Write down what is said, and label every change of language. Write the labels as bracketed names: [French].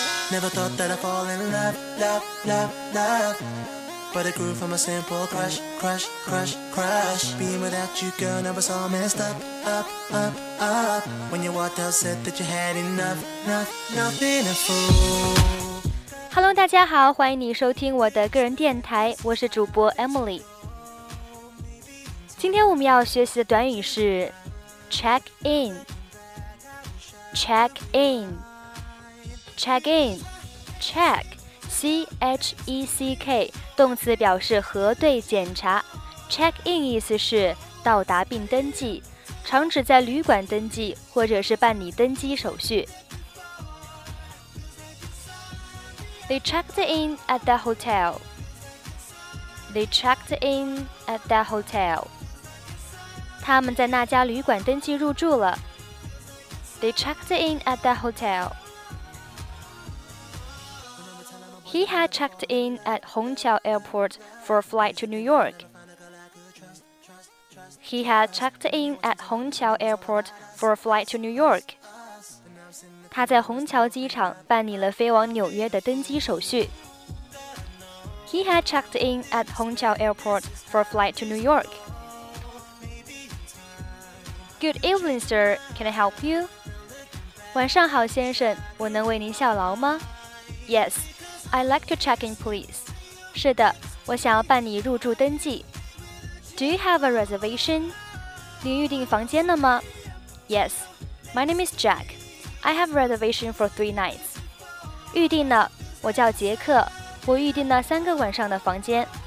[English] Never thought that I'd fall in love, love, love, love. But it grew from a simple crush, crush, crush, crush. Being without you, girl, never saw me stop, up, up, up. When you walked out, said that you had enough, enough, nothing to fool. [Chinese] Hello, 大家好，欢迎你收听我的个人电台，我是主播 Emily。今天我们要学习的短语是 check in, check in, check in, check, C-H-E-C-K, 动词表示核对检查。 check in 意思是到达并登记，常指在旅馆登记或者是办理登机手续。 [English] They checked in at the hotel. They checked in at the hotel. [Chinese] 他们在那家旅馆登记入住了。 [English] They checked in at the hotel. He had checked in at Hongqiao Airport for a flight to New York. He had checked in at Hongqiao Airport for a flight to New York. [Chinese] 他在虹桥机场办理了飞往纽约的登机手续。 [English] He had checked in at Hongqiao Airport for a flight to New York. Good evening, sir. Can I help you? [Chinese] 晚上好，先生，我能为您效劳吗？ [English] Yes, I'd like to check in, please. [Chinese] 是的，我想要办理入住登记。 [English] Do you have a reservation? [Chinese] 您预订房间了吗？ [English] Yes, my name is Jack. I have a reservation for 3 nights. [Chinese] 预定了，我叫杰克，我预定了3个晚上的房间。